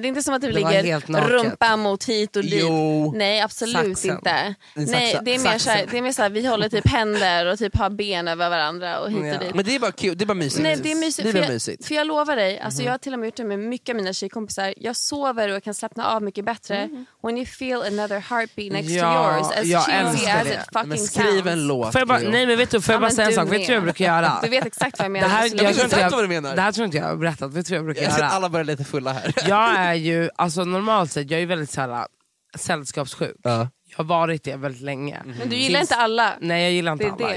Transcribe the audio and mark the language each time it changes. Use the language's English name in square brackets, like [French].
[Swedish] Det är inte som att vi ligger rumpa mot hit och dit. Jo. Nej, absolut inte. Nej, det är mer så här. Vi håller typ händer och typ har ben över varandra. varandra och hit och dit. Men det är bara kul, det är bara mysigt. Nej, det är mysigt. För jag lovar dig, alltså jag har till och med gjort det med mycket av mina tjejkompisar. Jag sover och jag kan slappna av mycket bättre. Mm. [English] When you feel another heartbeat next to yours, as cheesy as it fucking sounds. [Swedish] Skriv en låt. Får jag bara säga en sak? Vet du vad jag brukar göra? Du vet exakt vad jag menar. Det här tror jag inte jag har berättat. Vet du vad jag brukar göra? Alla börjar lite fulla här. Jag är ju, alltså normalt sett, jag är ju väldigt så här sällskapssjuk. Jag har varit det väldigt länge. Men du gillar inte alla. Nej, jag gillar inte alla.